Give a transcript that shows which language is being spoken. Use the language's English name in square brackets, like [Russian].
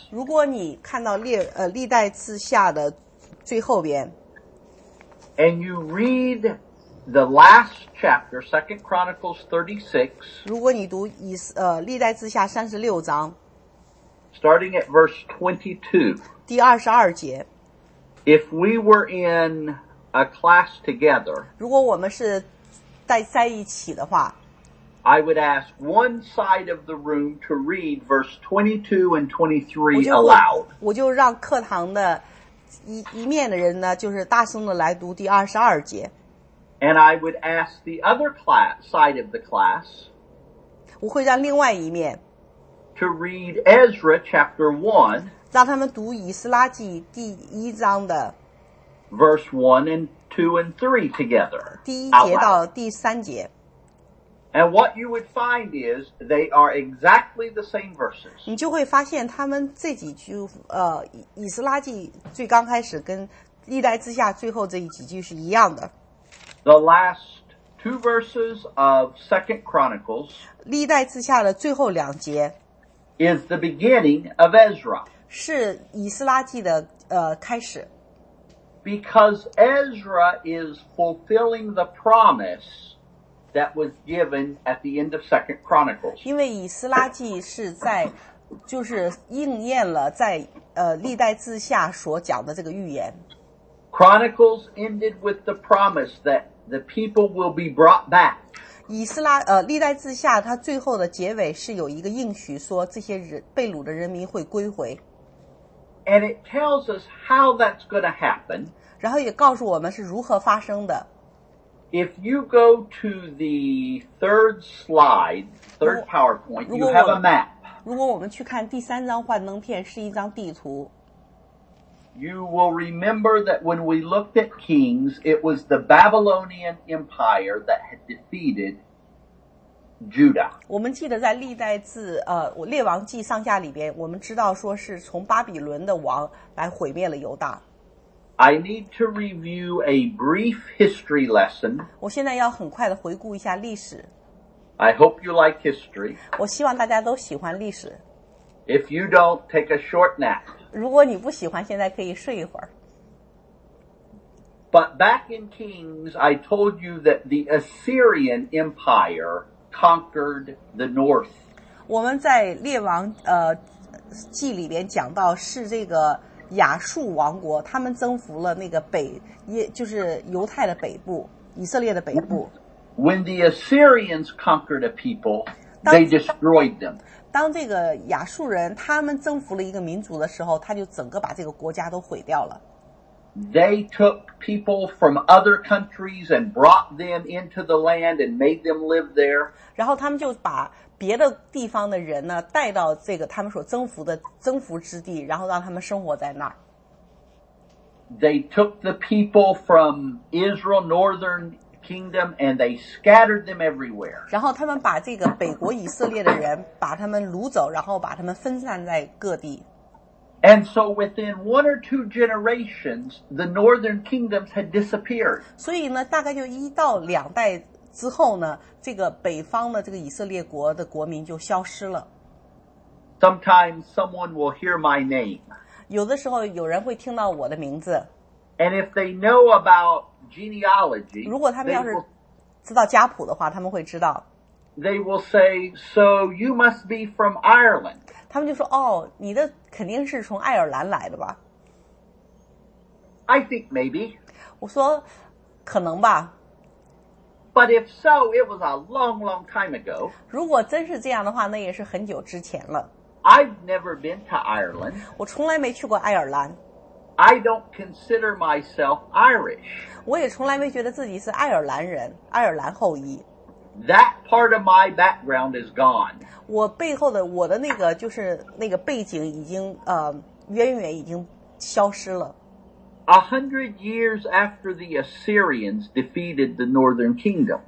[Chinese] 如果你看到历代志下的最后边 [English] ，and you read the last chapter, Second Chronicles 36, [Chinese] 如果你读历代志下三十六章。 [English] Starting at verse 22. [Chinese] 第二十二节。 [English] If we were in a class together. [Chinese] 如果我们是在一起的话。 [English] I would ask one side of the room to read verse 22 and 23 aloud. [Chinese] 我就让课堂的一面的人呢就是大声的来读第二十二节。 [English] And I would ask the other side of the class. [Chinese] 我会让另外一面。 [English] To read Ezra chapter 1, [Chinese] 让他们读以斯拉记第一章的 [English] verse 1 and 2 and 3 together. [Chinese] 第一节到第三节。 [English] And what you would find is they are exactly the same verses. [Chinese] 你就会发现他们这几句以斯拉记最刚开始跟历代志下最后这几句是一样的。 [English] The last two verses of 2 Chronicles, [Chinese] 历代志下的最后两节。 [English] Is the beginning of Ezra. [Chinese] 是以斯拉记的开始。 [English] Because Ezra is fulfilling the promise that was given at the end of 2 Chronicles. [Chinese] 因为以斯拉记是在就是应验了在历代志下所讲的这个预言。 [English] Chronicles ended with the promise that the people will be brought back. [Chinese] 以斯拉历代志下他最后的结尾是有一个应许说这些被掳的人民会归回。 [English] And it tells us how that's going to happen. [Chinese] 然后也告诉我们是如何发生的。 [English] If you go to the third slide, third PowerPoint, you have a map. [Chinese] 如果我们去看第三张幻灯片是一张地图。 [English] You will remember that when we looked at Kings, it was the Babylonian Empire that had defeated Judah. [Chinese] 我们记得在历代志列王记上下里边，我们知道说是从巴比伦的王来毁灭了犹大。 [English] I need to review a brief history lesson. [Chinese] 我现在要很快的回顾一下历史。 [English] I hope you like history. [Chinese] 我希望大家都喜欢历史。 [English] If you don't, take a short nap. [Chinese] 如果你不喜欢，现在可以睡一会儿。 [English] But back in Kings, I told you that the Assyrian Empire conquered the north. [Chinese] 我们在列王记里边讲到是这个亚述王国，他们征服了那个北，就是犹太的北部，以色列的北部。 [English] When the Assyrians conquered a people, they destroyed them. [Chinese] 当这个亚述人他们征服了一个民族的时候，他就整个把这个国家都毁掉了。 [English] They took people from other countries and brought them into the land and made them live there. [Chinese] 然后他们就把别的地方的人呢带到这个他们所征服的征服之地，然后让他们生活在那儿。 [English] They took the people from Israel, northern kingdom, and they scattered them everywhere. [Chinese] 然后他们把这个北国以色列的人把他们掳走，然后把他们分散在各地。 [English] And so within one or two generations, the northern kingdoms had disappeared. [Chinese] 所以呢，大概就一到两代之后呢，这个北方的这个以色列国的国民就消失了。 [English] Sometimes someone will hear my name. [Chinese] 有的时候有人会听到我的名字。 [English] And if they know about genealogy, [Chinese] 如果他们要是知道家谱的话，他们会知道。 [English] They will say, so you must be from Ireland. [Chinese] 他们就说，哦，你的肯定是从爱尔兰来的吧。 [English] I think maybe. [Chinese] 我说，可能吧。 [English] But if so, it was a long, long time ago. [Chinese] 如果真是这样的话，那也是很久之前了。 [English] I've never been to Ireland. [Chinese] 我从来没去过爱尔兰。 [English] I don't consider myself Irish. [Chinese] 我也从来没觉得自己是爱尔兰人，爱尔兰后裔。 [English] That part of my background is gone. [Chinese] 我背后的我的那个就是那个背景已经远远已经消失了。 [English] 100 years after the Assyrians defeated the Northern Kingdom.